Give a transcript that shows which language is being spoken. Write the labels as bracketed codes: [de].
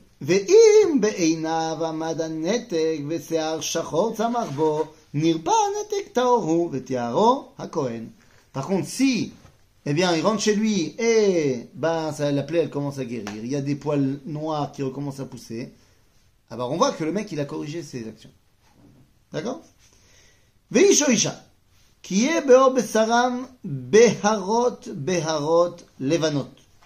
[he] ואם בעיניו עמד הנתק ושיער שחור צמח בו, נרפא הנתק טהור הוא ותיארו הכהן. [fr] Par contre, si, eh bien, il rentre chez lui et ben, ça, la plaie, elle commence à guérir, il y a des poils noirs qui recommencent à pousser, alors on voit que le mec, il a corrigé ses actions. D'accord ? [he] ואיש או אישה, כי יהיה באור בשרם בהרות בהרות לבנות.